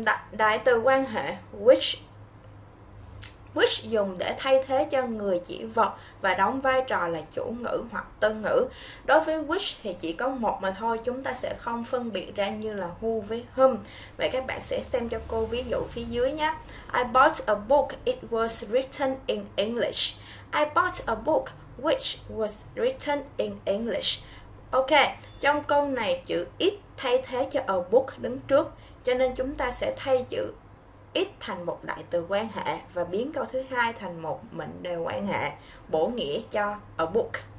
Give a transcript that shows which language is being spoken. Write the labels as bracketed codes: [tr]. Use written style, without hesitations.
[vi] Đại từ quan hệ which. Which dùng để thay thế cho người chỉ vật và đóng vai trò là chủ ngữ hoặc tân ngữ. Đối với which thì chỉ có một mà thôi, chúng ta sẽ không phân biệt ra như là who với whom. Vậy các bạn sẽ xem cho cô ví dụ phía dưới nhé. [en] I bought a book, it was written in English. I bought a book, which was written in English. [vi] Ok, trong câu này chữ it thay thế cho a book đứng trước, cho nên chúng ta sẽ thay chữ it thành một đại từ quan hệ và biến câu thứ hai thành một mệnh đề quan hệ bổ nghĩa cho a book.